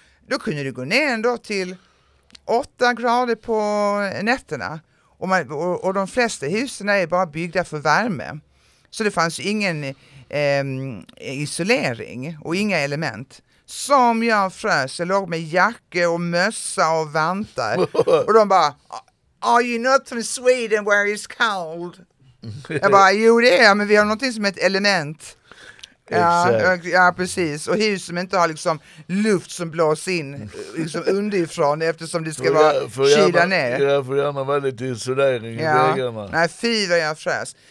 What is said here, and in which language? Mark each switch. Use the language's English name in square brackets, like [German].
[Swedish] Då kunde du gå ner ändå till 8 grader på nätterna. Och de flesta husen är bara byggda för värme. Så det fanns ju ingen isolering och inga element. Som jag frös, jag låg med jacka och mössa och vantar. Och de bara, [English] Are you not from Sweden where it's cold? [Swedish] Jag bara, jo det är, men vi har något som ett element. [English] Exactly. [Swedish] Ja, ja, precis. Och hus som inte har liksom luft som blås in liksom underifrån eftersom det ska vara kyla ner. Jag får gärna vara lite isolering. Ja. Nej, fy vad jag frös.